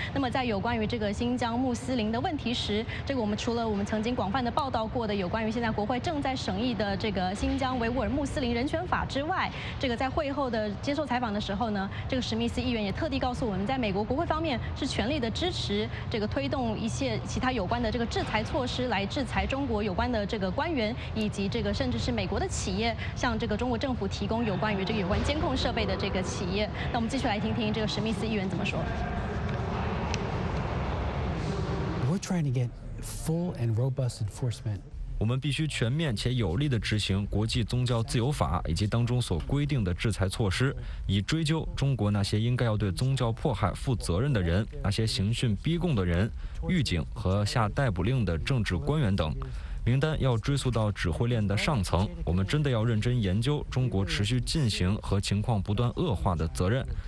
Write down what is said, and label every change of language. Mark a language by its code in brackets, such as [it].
[zh] 那么，在有关于这个新疆穆斯林的问题时，这个我们除了我们曾经广泛的报道过的有关于现在国会正在审议的这个新疆维吾尔穆斯林人权法之外，这个在会后的接受采访的时候呢，这个史密斯议员也特地告诉我们，在美国国会方面是全力的支持这个推动一些其他有关的这个制裁措施，来制裁中国有关的这个官员以及这个甚至是美国的企业向这个中国政府提供有关于这个有关监控设备的这个企业。那我们继续来听听这个史密斯议员怎么说。 [en] We're trying to get full and robust enforcement. [zh] 我们必须全面且有力地执行国际宗教自由法以及当中所规定的制裁措施，以追究中国那些应该要对宗教迫害负责任的人，那些刑讯逼供的人、狱警和下逮捕令的政治官员等。名单要追溯到指挥链的上层。我们真的要认真研究中国持续进行和情况不断恶化的责任。